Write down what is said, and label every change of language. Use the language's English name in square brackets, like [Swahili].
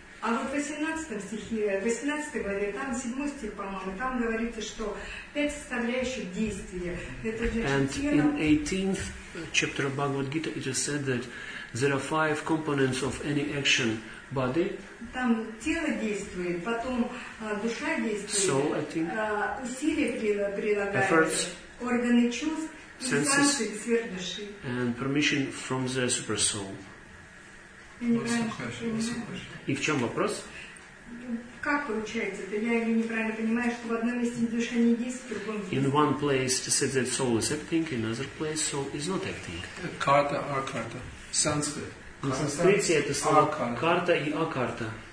[Russian] А вот в 18 стихе, 18 главе, там 7 стих, по-моему, там говорится, что 5 составляющих действия. Это значит, [English] and in 18th chapter of Bhagavad Gita it is said that there are 5 components of any action body. [Russian] Там тело действует, потом душа действует, [English] soul, I think, [Russian] усилия прилагаются, [English] efforts, [Russian] органы чувств, [English] senses and permission from the super soul. [Russian] И в чем вопрос? Как получается? Это я или неправильно понимаю, что в одном месте душа не действует, в другом [English] in one place it says that soul is acting, in another place soul is not acting. [Russian] Карта, акарта. Санскрит. На санскрите это слово карта и акарта.